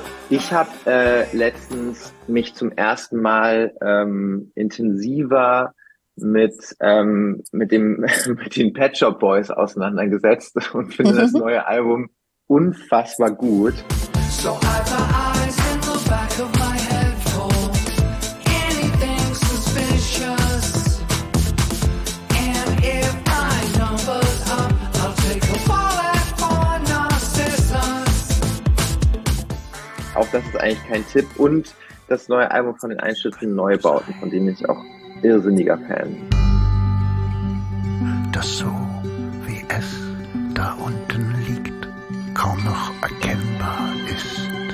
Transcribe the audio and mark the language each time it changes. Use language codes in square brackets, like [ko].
[de] Ich habe letztens mich zum ersten Mal intensiver mit den Pet Shop Boys auseinandergesetzt und finde das neue Album unfassbar gut. [en] So I've got eyes in the back of my head for anything suspicious. And if my number's up, I'll take a fall at for Narcissus. [de] Auch das ist eigentlich kein Tipp. Und das neue Album von den Einschüchternden Neubauten, von denen ich auch irrsinniger Fan. Das so, wie es da unten liegt, kaum noch erkennbar ist.